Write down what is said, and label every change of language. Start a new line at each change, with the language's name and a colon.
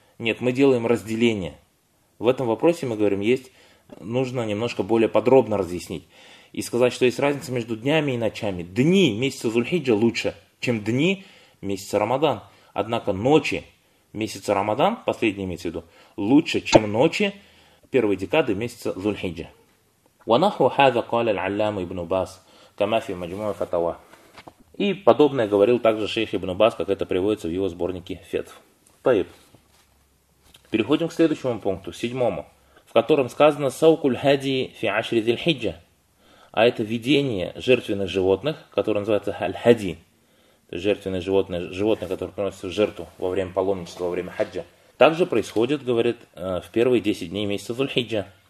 Russian: Нет, мы делаем разделение. В этом вопросе, мы говорим, есть, нужно немножко более подробно разъяснить. И сказать, что есть разница между днями и ночами. Дни месяца Зульхиджа лучше, чем дни месяца Рамадан. Однако ночи месяца Рамадан, последний имеется в виду, лучше, чем ночи первой декады месяца Зульхиджа.
Arabic: وَنَحْوَ هَذَا قَالَ الْعَلَّامُ ибн Бас, كَمَا فِي مَجْمُوعِ فَتَوَى.
Russian: И подобное говорил также шейх ибн Бас, как это приводится в его сборнике фетв. Таиб. Переходим к следующему пункту, седьмому, в котором сказано
Arabic: «Саукуль хадии фи ашри зиль хиджа»,
Russian: а это видение жертвенных животных, которое называется «халь-хади», то есть жертвенное животное, животное, которое приносится в жертву во время паломничества, во время хаджа, также происходит, говорит, в первые 10 дней месяца Зульхиджа.